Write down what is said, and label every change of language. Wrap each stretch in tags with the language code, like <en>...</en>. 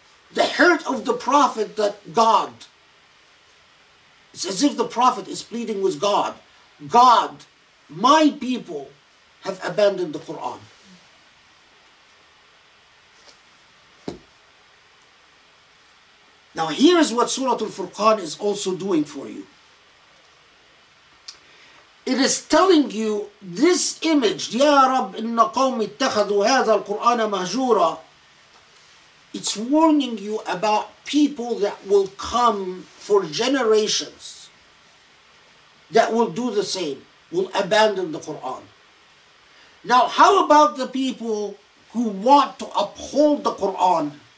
<en>The hurt of the Prophet that God, it's as if the Prophet is pleading with God. God, my people have abandoned the Quran. Now here is what Surah Al-Furqan is also doing for you. It is telling you this image,</en> <ar>يا رب إن قومي اتخذوا هذا القرآن مهجورا.</ar> <en>It's warning you about people that will come for generations that will do the same, will abandon the Quran. Now, how about the people who want to uphold the Quran?</en>